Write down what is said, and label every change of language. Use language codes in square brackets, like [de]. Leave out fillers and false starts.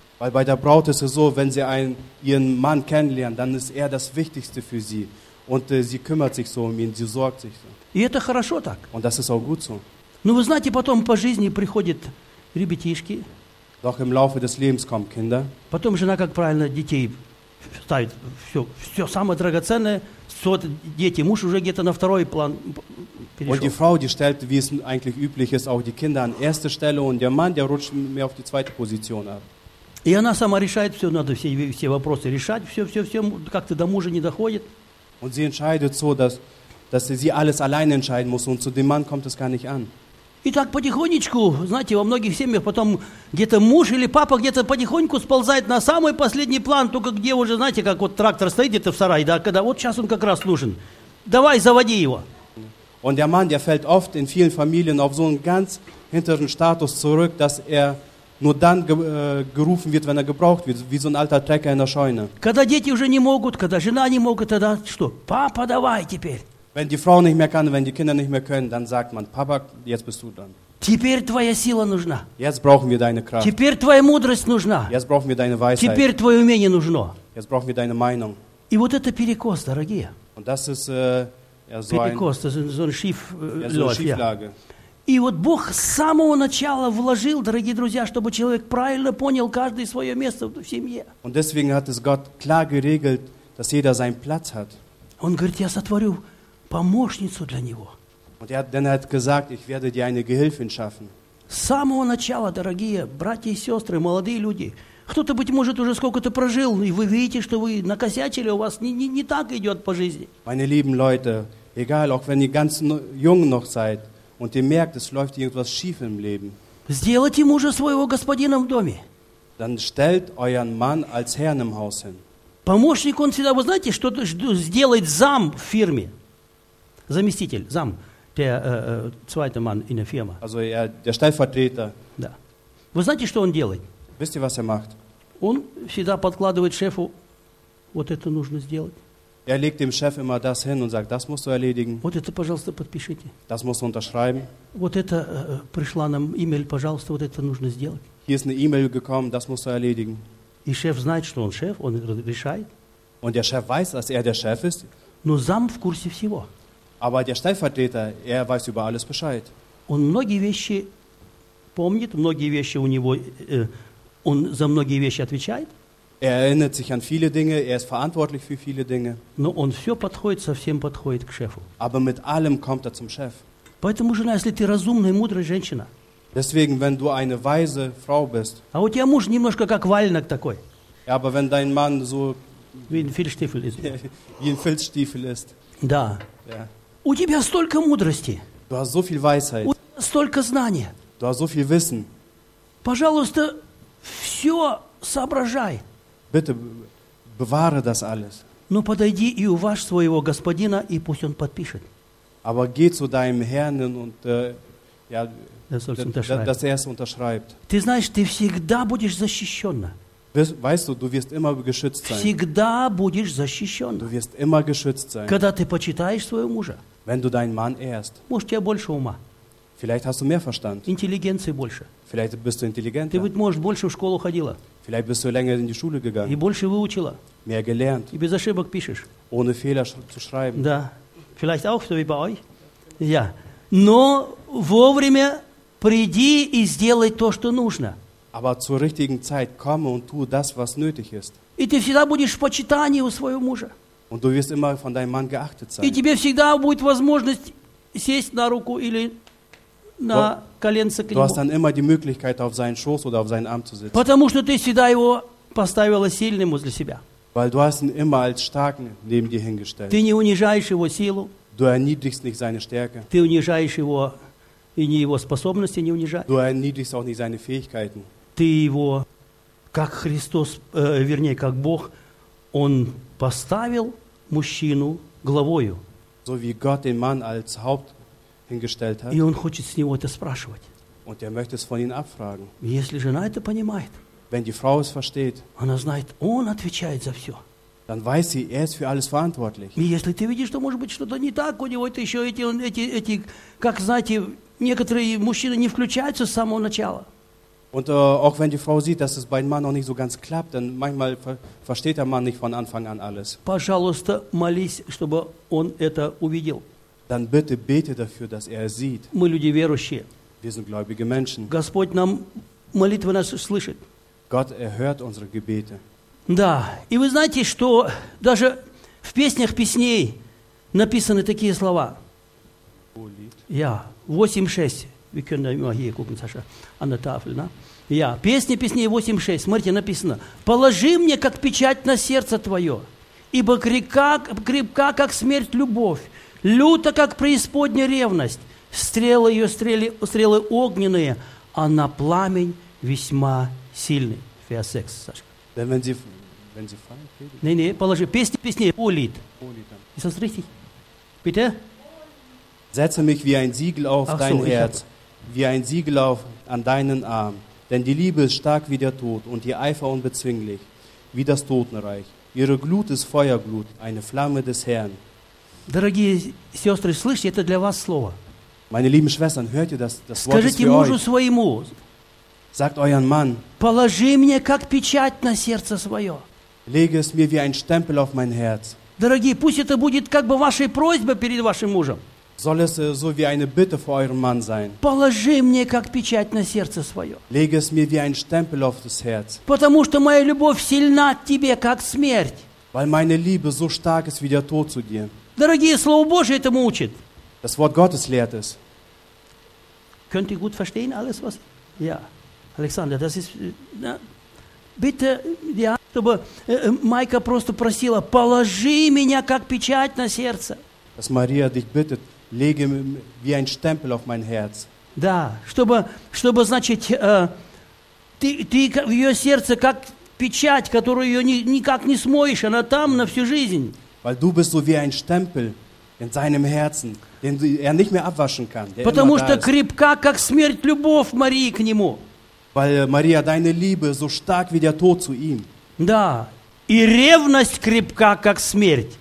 [de] Weil bei der Braut ist es so, wenn sie ihren Mann kennenlernen, dann ist das Wichtigste für sie. Und sie kümmert sich so um ihn, sie sorgt sich so. [ru] И это хорошо так. [de] Und das ist auch gut so. [ru] Ну вы знаете, потом по жизни приходят ребятишки. [de] Doch im Laufe des Lebens kommen Kinder. [ru] Потом жена, как правильно, детей ставит все, все самое драгоценное, вот дети, муж уже где-то на второй план перешел. [de] Und die Frau, die stellt, wie es eigentlich üblich ist, auch die Kinder an erste Stelle und der Mann, der rutscht mehr auf die zweite Position ab. [ru] И она сама решает все, надо все вопросы решать, все, как-то до мужа не доходит. [de] Und sie entscheidet so, dass sie alles alleine entscheiden muss und zu dem Mann kommt es gar nicht an. [ru] И так потихонечку, знаете, во многих семьях потом где-то муж или папа где-то потихоньку сползает на самый последний план, только где уже, знаете, как вот трактор стоит где-то в сарае, да, когда вот сейчас он как раз нужен. Давай, заводи его. [de] Und der Mann, der fällt oft in vielen Familien auf so einen ganz hinteren Status zurück, dass nur dann gerufen wird, wenn gebraucht wird, wie so ein alter Trecker in der Scheune. [ru] Когда дети уже не могут, когда жена не могут, тогда что? Папа, давай теперь. [de] Wenn die Frau nicht mehr kann, wenn die Kinder nicht mehr können, dann sagt man, Papa, jetzt bist du dran. [ru] Теперь твоя сила нужна. [de] Jetzt brauchen wir deine Kraft. [ru] Теперь твоя мудрость нужна. [de] Jetzt brauchen wir deine Weisheit. [ru] Теперь твое умение нужно. [de] Jetzt brauchen wir deine Meinung. [ru] И вот это перекос, дорогие. [de] Und das ist so [ru] перекос, [de] ein so ein Schief, so Schieflage. [ru] И вот Бог с самого начала вложил, дорогие друзья, чтобы человек правильно понял каждое свое место в семье. [de] Und deswegen hat es Gott klar geregelt, dass jeder seinen Platz hat. [ru] Он говорит, я сотворю помощницу для него. [de] Und er hat gesagt, ich werde dir eine Gehilfin schaffen. [ru] С самого начала, дорогие братья и сестры, молодые люди, кто-то, быть может, уже сколько-то прожил, и вы видите, что вы накосячили, у вас не так идет по жизни. [de] Meine lieben Leute, egal, auch wenn ihr ganz jung noch seid, und ihr merkt, es läuft irgendwas schief im Leben. [ru] Сделайте мужа своего господина в доме. [de] Dann stellt euren Mann als Herrn im Haus hin. [ru] Помощник, он всегда, вы знаете, что сделает зам в фирме. Заместитель, зам. [de] Der zweite Mann in der Firma. Also der Stellvertreter. [ru] Да. Вы знаете, что он делает? [de] Wisst ihr, was macht? [ru] Он всегда подкладывает шефу, вот это нужно сделать. [de] Legt dem Chef immer das hin und sagt, das musst du erledigen. [ru] Вот это, пожалуйста, подпишите. [de] Das musst du unterschreiben. [ru] Вот это пришла нам E-Mail, пожалуйста, вот это нужно сделать. [de] Hier ist eine E-Mail gekommen, das musst du erledigen. [ru] И шеф знает, что он шеф, он решает. [de] Und der Chef weiß, dass der Chef ist. [ru] Но зам в курсе всего. [de] Aber der Stellvertreter, weiß über alles Bescheid. [ru] Он многие вещи помнит, многие вещи у него, он за многие вещи отвечает. [de] Erinnert sich an viele Dinge, ist verantwortlich für viele Dinge. [ru] Но он все подходит, совсем подходит к шефу. [de] Aber mit allem kommt zum Chef. [ru] Поэтому жена, если ты разумная, мудрая женщина. [de] Deswegen, wenn du eine weise Frau bist. [ru] А у тебя муж немножко как валенок такой. [de] Ja, aber wenn dein Mann so wie ein Filzstiefel ist. wie ein Filzstiefel ist. [ru] Да. [de] Ja. [ru] У тебя столько мудрости. [de] Du hast so viel Weisheit. [ru] У тебя столько знания. [de] Du hast so viel Wissen. [ru] Пожалуйста, все соображай. [de] Bitte bewahre das alles. [ru] Но подойди и уважь своего господина и пусть он подпишет. [de] Aber geh zu deinem Herrn und ja, dass es unterschreibt. [ru] Ты знаешь, ты всегда будешь защищенна. [de] Weißt du, du wirst immer geschützt sein. [ru] Всегда будешь защищенна. [de] Du wirst immer geschützt sein. [ru] Когда ты почитаешь своего мужа. [de] Wenn du deinen Mann ehrst. [ru] Может, тебе больше ума. [de] Vielleicht hast du mehr Verstand. [ru] Интеллигенции больше. [de] Vielleicht bist du intelligenter. [ru] Ты, быть, можешь, больше в школу ходила. [de] Vielleicht bist du länger in die Schule gegangen. [ru] И больше выучила. [de] Mehr gelernt. [ru] И без ошибок пишешь. [de] Ohne Fehler zu schreiben. [ru] Да. [de] Vielleicht auch so wie bei euch. Ja. [ru] Но вовремя приди и сделай то, что нужно. [de] Aber zur richtigen Zeit komme und tu das, was nötig ist. [ru] И ты всегда будешь в почитании у своего мужа. [de] Und du wirst immer von deinem Mann geachtet sein. [ru] И тебе всегда будет возможность сесть на руку или на коленце к нему. [de] Du hast dann immer die Möglichkeit, auf seinen Schoß oder auf seinen Arm zu sitzen. [ru] Потому что ты всегда его поставила сильным возле себя. [de] Weil du hast ihn immer als starken neben dir hingestellt. [ru] Ты не унижаешь его силу. [de] Du erniedrigst nicht seine Stärke. [ru] Ты унижаешь его и не его способности не унижаешь. [de] Du erniedrigst auch nicht seine Fähigkeiten. [ru] Ты его, как Христос, вернее, как Бог, он поставил мужчину главою. [de] So wie Gott den Mann als Haupt hingestellt hat. [ru] И он хочет с него это спрашивать. [de] Und möchte es von ihm abfragen. [ru] Если жена это понимает. [de] Wenn die Frau es versteht, [ru] она знает, он отвечает за все. [de] Dann weiß sie, er ist für alles verantwortlich. [ru] И если ты видишь, что может быть что-то не так, у него это еще эти, как знаете, некоторые мужчины не включаются с самого начала. [de] Und auch wenn die Frau sieht, dass es bei dem Mann noch nicht so ganz klappt, dann manchmal versteht der Mann nicht von Anfang an alles. [ru] Пожалуйста, молись, чтобы он это увидел. [de] Dann bitte bete dafür, dass er es sieht. [ru] Мы люди верующие. [de] Wir sind gläubige Menschen. [ru] Господь нам молитвы нас слышит. [de] Gott erhört unsere Gebete. [ru] Да, и вы знаете, что даже в песнях песней написаны такие слова. Я 8:6. [de] Wir können mal hier gucken, Sascha, an der Tafel, ne? [ru] Я песни песней 8:6. Смотрите, написано: Положи мне как печать на сердце твое, ибо крепка как смерть любовь, люта как преисподняя ревность, стрелы ее стрелы огненные, а на пламень весьма сильный. [de] Vers 6, Sascha. Denn wenn sie fallen, nee, nee, [ru] положи. Песни, Olid. [de] Ist das richtig? Bitte? Setze mich wie ein Siegel auf dein Herz, wie ein Siegel auf an deinen Arm. Denn die Liebe ist stark wie der Tod und ihr Eifer unbezwinglich, wie das Totenreich. Ihre Glut ist Feuerglut, eine Flamme des Herrn. [ru] Дорогие сестры, слышите, это для вас слово. [de] Meine lieben Schwestern, hört ihr das Wort ist für euch? [ru] Своему, [de] Sagt euren Mann, [ru] положи мне как печать на сердце свое. [de] Lege es mir wie ein Stempel auf mein Herz. [ru] Дорогие, пусть это будет как бы вашей просьбой перед вашим мужем. [de] Soll es so wie eine Bitte vor eurem Mann sein. [ru] Положи мне как печать на сердце свое. [de] Lege es mir wie ein Stempel auf das Herz. [ru] Потому что моя любовь сильна к тебе, как смерть. [de] Weil meine Liebe so stark ist wie der Tod zu dir. [ru] Дорогие, Слово Божие этому учит. [de] Das Wort Gottes lehrt es. Könnt ihr gut verstehen alles, was... Ja. [ru] Александр, [de] das ist, na, bitte, ja, [ru] чтобы Майка просто просила, положи меня как печать на сердце. [de] Dass Maria dich bittet, lege wie ein Stempel auf mein Herz. [ru] Да, чтобы значит, ты в ее сердце как печать, которую ее никак не смоешь, она там на всю жизнь. [de] Weil du bist so wie ein Stempel in seinem Herzen, den er nicht mehr abwaschen kann. [ru] Потому что крепка, как смерть, любовь Марии к нему. [de] Weil Maria deine Liebe so stark wie der Tod zu ihm. [ru] Да. И ревность крепка, как смерть.